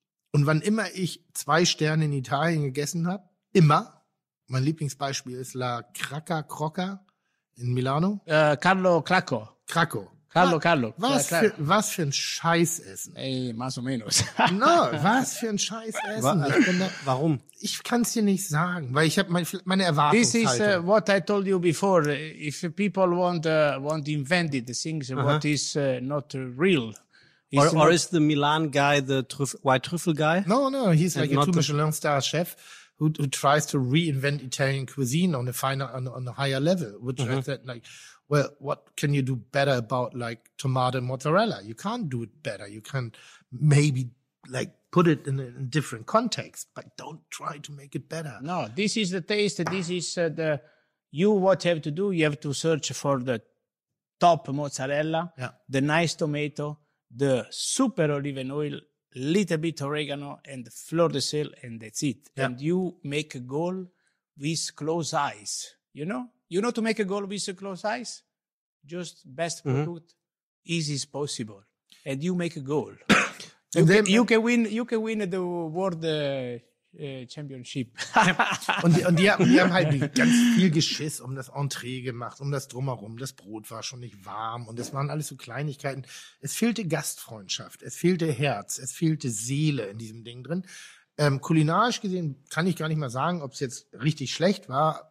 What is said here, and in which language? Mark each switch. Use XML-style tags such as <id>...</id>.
<de>Und wann immer ich 2 Sterne in Italien gegessen habe, immer, mein Lieblingsbeispiel ist La Cracca Crocca</de> <it>In Milano?</it> <de>Carlo Cracco. Cracco. Carlo. Was für ein Scheißessen.</de> <es>Ey, más o menos.</es> <de>No, was für ein Scheißessen. Warum? Ich kann es dir nicht sagen, weil ich habe meine Erwartungshaltung.</de> <en>This is what I told you before. If people want invented things, uh-huh. What is not real. Or is the Milan guy the white truffle guy? No, he's like a 2 Michelin star chef who tries to reinvent Italian cuisine on a finer, on a higher level, which uh-huh. I said, like, well, what can you do better about like tomato and mozzarella? You can't do it better. You can maybe like put it in a different context, but don't try to make it better. No, this is the taste. This is what you have to do. You have to search for the top mozzarella, yeah. The nice tomato, the super olive oil, little bit oregano and fleur de sel, and that's it. Yeah. And you make a goal with close eyes, you know? You know, to make a goal with a close eyes, just best product, mm-hmm. easy as possible. And you make a goal. you can win the world championship.</en> <de>und die haben halt ganz viel Geschiss um das Entree gemacht, um das Drumherum. Das Brot war schon nicht warm und es waren alles so Kleinigkeiten. Es fehlte Gastfreundschaft, es fehlte Herz, es fehlte Seele in diesem Ding drin. Kulinarisch gesehen kann ich gar nicht mal sagen, ob es jetzt richtig schlecht war.</de>